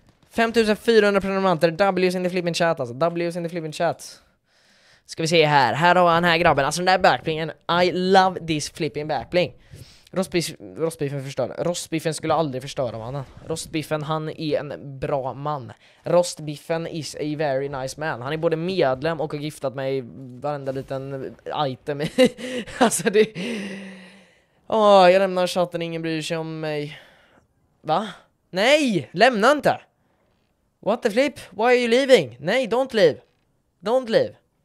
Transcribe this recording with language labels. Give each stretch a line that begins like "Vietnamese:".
Swedish: 5400 prenumeranter.
English: W's in the flipping chat
Swedish: alltså. W's in the flipping chat. Ska vi se här. Här har han här grabben. Alltså den där backplingen.
English: I love this flipping backpling.
Swedish: Rostbiffen förstör. Rostbiffen skulle aldrig förstöra mannen. Rostbiffen, han är en bra man.
English: Rostbiffen is a very nice man.
Swedish: Han är både medlem och har giftat mig varenda liten item. Alltså det. Åh, jag lämnar chatten. Ingen bryr sig om mig. Va? Nej, lämna inte.
English: What the flip? Why are you leaving?
Swedish: Nej,
English: don't leave. Don't leave.